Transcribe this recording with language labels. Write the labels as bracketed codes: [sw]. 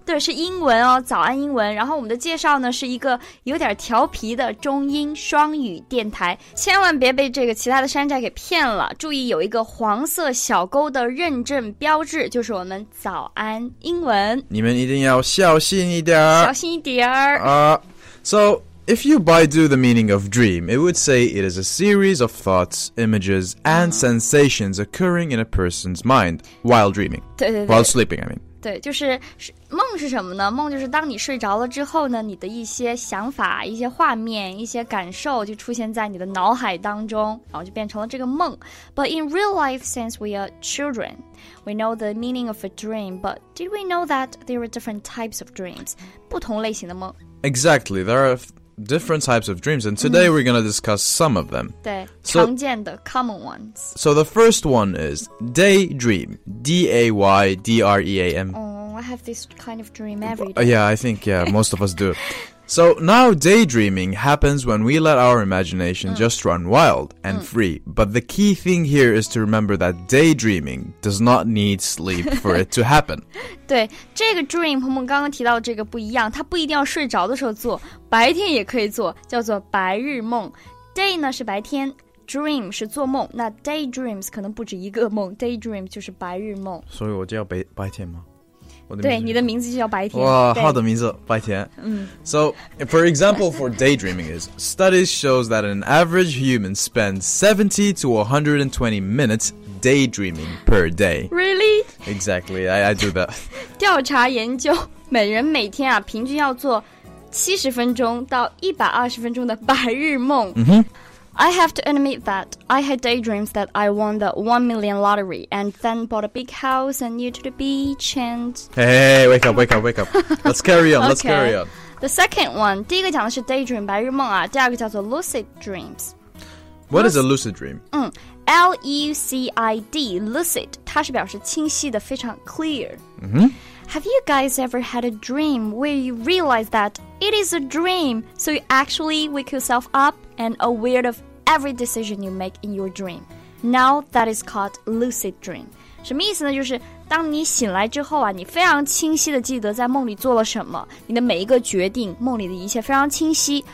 [zh] 对，是英文哦，早安英文。然后我们的介绍呢，是一个有点调皮的中英双语电台，千万别被这个其他的山寨给骗了。注意有一个黄色小勾的认证标志，就是我们早安英文。你们一定要小心一点，小心一点。 [en] So if you Baidu the meaning of dream, it would say it is a series of thoughts, images, and sensations occurring in a person's mind while dreaming. [zh] 对对对。 [en] While sleeping, I mean. [zh] 对，就是梦是什么呢？梦就是当你睡着了之后呢，你的一些想法、一些画面、一些感受就出现在你的脑海当中，然后就变成了这个梦。 [en] But in real life, since we are children, we know the meaning of a dream, but did we know that there are different types of dreams? [zh] 不同类型的梦。 [en] Exactly, there are different types of dreams, and today、mm-hmm. we're going to discuss some of them. [zh] 对、so, 常见的 [en] common ones. So the first one is daydream, daydream. Oh, I have this kind of dream every day. Yeah, I think, yeah, most of us do. So now daydreaming happens when we let our imagination、mm. just run wild and、mm. free. But the key thing here is to remember that daydreaming does not need sleep for it to happen. [zh] 对，这个 dream 和我们刚刚提到的这个不一样，它不一定要睡着的时候做，白天也可以做，叫做白日梦。 Day 呢是白天， dream 是做梦，那 daydreams 可能不止一个梦， daydream 就是白日梦。所以我就要白天吗？对，你的名字就叫白天。哇，好的名字，白天。嗯。 [en] So, for example, for daydreaming is, studies shows that an average human spends 70 to 120 minutes daydreaming per day. Really? Exactly, I do that. [zh] 调查研究，每人每天啊，平均要做70分钟到120分钟的白日梦。嗯哼。 [en] I have to admit that I had daydreams that I won the 1 million lottery and then bought a big house and new to the beach and... Hey, wake up. Let's carry on, let's、 okay. carry on. The second one, [zh] 第一个讲的是 daydream, 白日梦啊，第二个叫做 lucid dreams. [en] What is a lucid dream? [zh] L-U-C-I-D, lucid, 它是表示清晰的，非常 clear.、 [en] Mm-hmm. Have you guys ever had a dream where you realize that it is a dream, so you actually wake yourself up? And aware of every decision you make in your dream. Now that is called lucid dream. [zh] 什么意思呢？就是当你醒来之后啊，你非常清晰的记得在梦里做了什么，你的每一个决定，梦里的一切非常清晰。